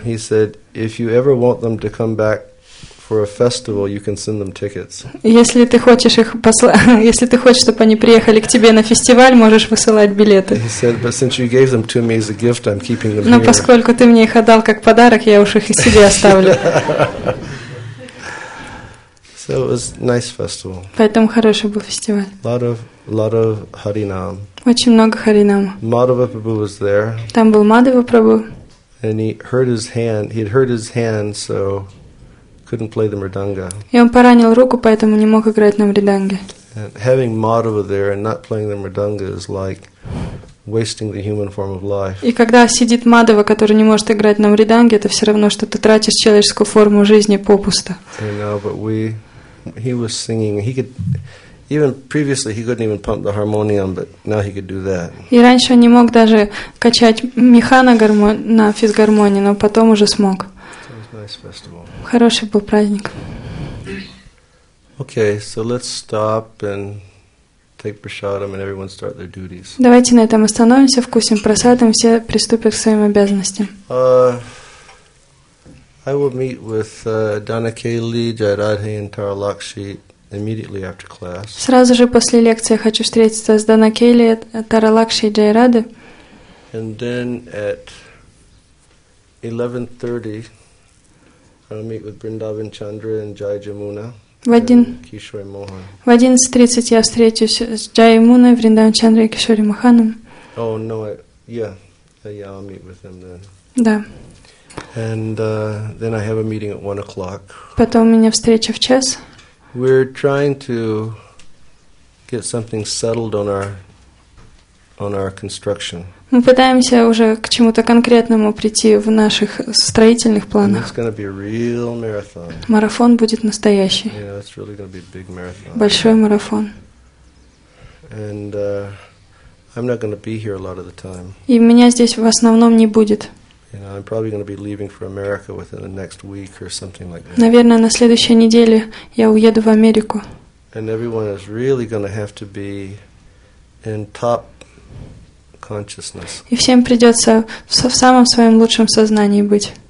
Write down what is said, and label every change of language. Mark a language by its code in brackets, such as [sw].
[en] He said if you ever want them to come back for a festival, you can send them tickets. [ru] Если ты хочешь их послать, если ты хочешь, чтобы они приехали к тебе на фестиваль, можешь высылать билеты. [en] He said, but since you gave them to me as a gift, I'm keeping them. [ru] Но поскольку ты мне их отдал как подарок, я уж их и себе оставлю. [en] So it was nice festival. [ru] Поэтому хороший был фестиваль. [en] Lot of Харинам. [ru] Очень много Харинам. [en] Мадхава Прабху was there. [ru] Там был Мадхава Прабху. [en] And he'd hurt his hand, so. Couldn't play the mridanga. [ru] И он поранил руку, поэтому не мог играть на мриданге. [en] And having Madhava there and not playing the mridanga is like wasting the human form of life. [ru] И когда сидит Мадхава, который не может играть на мриданге, это все равно, что ты тратишь человеческую форму жизни попусто. [en] You know, but he was singing. He could even previously he couldn't even pump the harmonium, but now he could do that. [ru] И раньше он не мог даже качать меха на физгармонии, но потом уже смог. [en] Festival. [ru] Хороший был праздник. [en] Okay, so let's stop and take prasadam and everyone start their duties. [ru] Давайте на этом остановимся, вкусим прасадам, все приступят к своим обязанностям. [en] I will meet with Donna Kelly, Jairadhe and Tara Lakshi immediately after class. [ru] Сразу же после лекции я хочу встретиться с Донна Кейли, Тара Лакши и Джайраде. [en] And then at 11:30 I'll meet with Brindavan Chandra and Jai Jamuna. [ru] В 11:30 я встречусь с Джай Муной, Бриндаван Чандра и Кишори Моханом. [en] Oh no, yeah, I'll meet with them then. [ru] Да. [en] And then I have a meeting at 1:00. [ru] Потом у меня встреча в час. [en] We're trying to get something settled on our on our construction. [ru] Мы пытаемся уже к чему-то конкретному прийти в наших строительных планах. [en] It's going to be a real marathon. [ru] Марафон будет настоящий. [en] Yeah, it's really going to be a big marathon. [ru] Большой марафон. [en] And I'm not going to be here a lot of the time. [ru] И меня здесь в основном не будет. [en] You know, I'm probably going to be leaving for America within the next week or something like that. [ru] Наверное, на следующей неделе я уеду в Америку. [en] And everyone is really going to have to be in top consciousness. [ru] И всем придется в самом своем лучшем сознании быть.